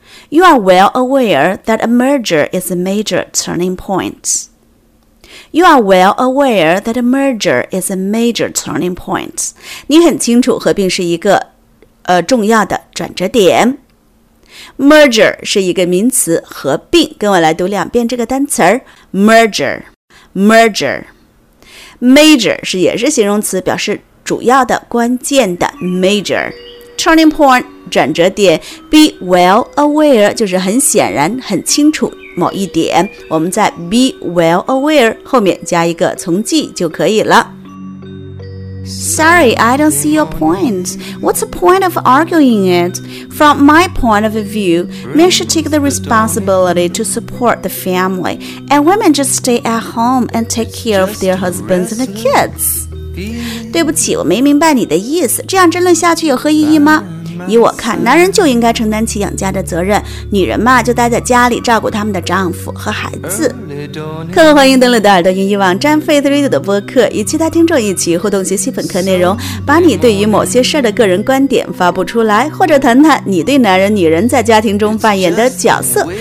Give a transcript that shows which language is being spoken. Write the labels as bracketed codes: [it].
[en] You are well aware that a merger is a major turning point. You are well aware that a merger is a major turning point. [zh] 你很清楚合并是一个重要的转折点。 Merger 是一个名词，合并。跟我来读两遍这个单词 Merger, MergerMajor 是也是形容词，表示主要的、关键的。 Major, turning point, 转折点。Be well aware 就是很显然、很清楚某一点。我们在 be well aware 后面加一个从句就可以了。 [en] Sorry, I don't see your point. What's the point of arguing it? From my point of view, men should take the responsibility to support the family, and women just stay at home and take care of their husbands and the kids. [zh] 对不起，我没明白你的意思。这样争论下去有何意义吗？以我看，男人就应该承担起养家的责任，女人嘛，就待在家里照顾他们的丈夫和孩子。客户欢迎登录的耳朵英语网站 Faith Radio 的播客，与其他听众一起互动学习本课内容，把你对于某些事儿的个人观点发布出来，或者谈谈你对男人、女人在家庭中扮演的角色。